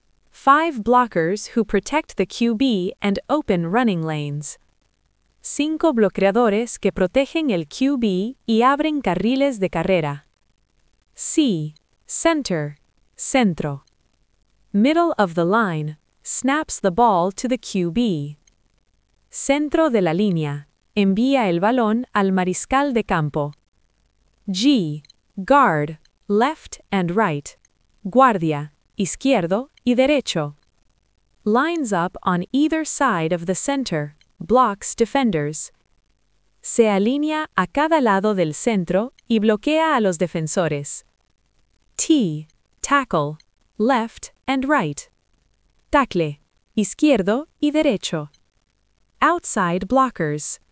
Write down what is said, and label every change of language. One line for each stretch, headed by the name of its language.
English: Five blockers who protect the QB and open running lanes.
Spanish: Cinco bloqueadores que protegen el QB y abren carriles de carrera.
English: C. Center. Centro. Middle of the line. Snaps the ball to the QB.
Spanish: Centro de la línea. Envía el balón al mariscal de campo. G. Guard.
English: Left and right.
Spanish: Guardia. Izquierdo y derecho.
English: Lines up on either side of the center. Blocks defenders.
Spanish: Se alinea a cada lado del centro y bloquea a los defensores.
English: T. Tackle. Left and right. Tackle.
Spanish: Izquierdo y derecho.
English: Outside blockers.